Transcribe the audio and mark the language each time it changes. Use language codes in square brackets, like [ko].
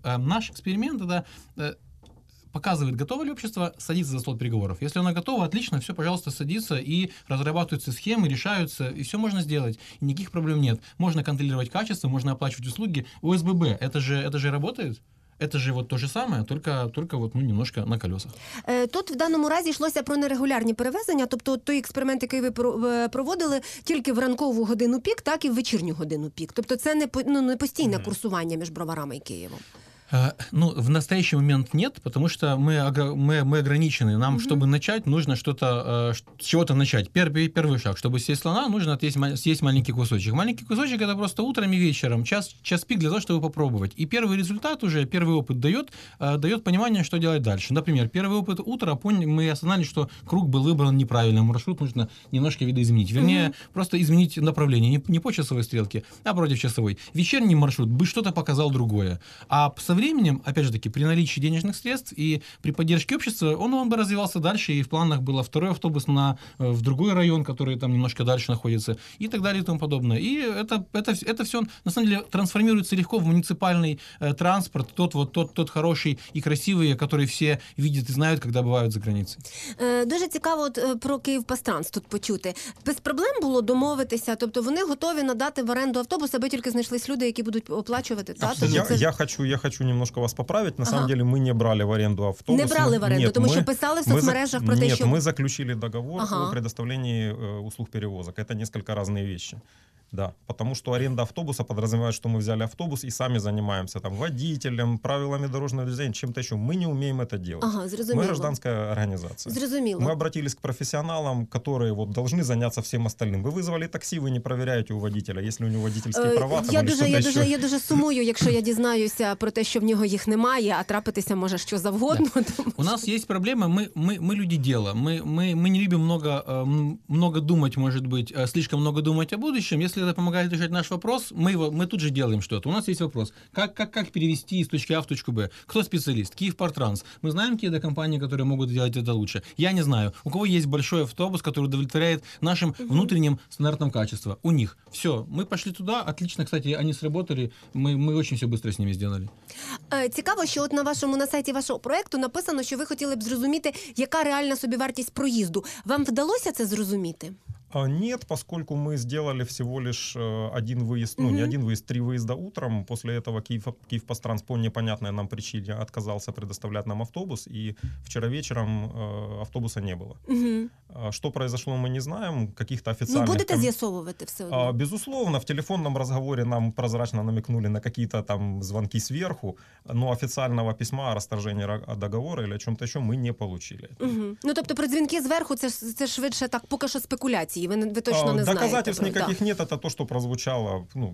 [ru] Наш эксперимент, да, показывает, готово ли общество садиться за стол переговоров. Если оно готово, отлично, все, пожалуйста, садится, и разрабатываются схемы, решаются, и все можно сделать, и никаких проблем нет. Можно контролировать качество, можно оплачивать услуги. ОСББ, это же работает? Это же вот то же самое, только вот, ну, немножко на колесах. [uk] Тут в даному разі йшлося про нерегулярні перевезення, тобто той експеримент, який ви проводили, тільки в ранкову годину пік, так і в вечірню годину пік. Тобто це не постійне курсування між Броварами і Києвом. [ru] Ну, в настоящий момент нет, потому что мы ограничены. Нам, чтобы начать, нужно что-то, чего-то начать. Первый шаг. Чтобы съесть слона, нужно съесть маленький кусочек. Маленький кусочек — это просто утром и вечером. Час пик для того, чтобы попробовать. И первый результат уже, первый опыт дает понимание, что делать дальше. Например, первый опыт утра, мы осознали, что круг был выбран неправильно. Маршрут нужно немножко видоизменить. Вернее, просто изменить направление. Не по часовой стрелке, а против часовой. Вечерний маршрут бы что-то показал другое. А со временем, опять же таки, при наличии денежных средств и при поддержке общества, он бы развивался дальше, и в планах было второй автобус в другой район, который там немножко дальше находится, и так далее, и тому подобное. И это все, на самом деле, трансформируется легко в муниципальный транспорт, тот хороший и красивый, который все видят и знают, когда бывают за границей. [uk] Дуже цікаво про Київпастранс тут почути. Без проблем було домовитися? Тобто вони готові надати в аренду автобус, аби тільки знайшлись люди, які будуть оплачувати? [ru] Я хочу немножко вас поправить. На самом деле мы не брали в аренду автобус. Не брали в аренду, потому что писали в соцмережах про те, что... Нет, мы заключили договор о предоставлении услуг перевозок. Это несколько разные вещи. Да, потому что аренда автобуса подразумевает, что мы взяли автобус и сами занимаемся там водителем, правилами дорожного движения, чем-то еще. Мы не умеем это делать. [uk] Ага, зрозуміло. [ru] Мы гражданская организация. [uk] Зрозуміло. [ru] Мы обратились к профессионалам, которые вот должны заняться всем остальным. Вы вызвали такси, вы не проверяете у водителя, если у него водительские права. [uk] Я дуже сумую, якщо я дізнаюся про те, що в нього їх немає, а трапитися може що завгодно. [ru] Да. У нас есть проблема, мы люди дела. Мы не любим много думать, может быть, слишком много думать о будущем. Если это помогает решать наш вопрос, мы тут же делаем что-то. У нас есть вопрос. Как перевести из точки А в точку Б? Кто специалист? Київпартранс. Мы знаем какие-то компании, которые могут делать это лучше? Я не знаю. У кого есть большой автобус, который удовлетворяет нашим внутренним стандартам качества? У них. Все. Мы пошли туда. Отлично, кстати, они сработали. Мы очень все быстро с ними сделали. [uk] Цікаво, що от на сайті вашого проекту написано, що ви хотіли б зрозуміти, яка реальна собівартість проїзду. Вам вдалося це зрозуміти? [ru] Нет, поскольку мы сделали всего лишь один выезд, не один выезд, три выезда утром. После этого Київпастранс по непонятной нам причине отказался предоставлять нам автобус, и вчера вечером автобуса не было. Что произошло, мы не знаем, каких-то официальных... [uk] Ну, будете з'ясовувати все одно? [ru] Безусловно, в телефонном разговоре нам прозрачно намекнули на какие-то там звонки сверху, но официального письма о расторжении договора или о чем-то еще мы не получили. [uk] Ну, тобто про дзвінки зверху, це швидше так, поки що спекуляція. Ви точно не знаєте. [ru] Доказательств никаких нет, это то, что прозвучало.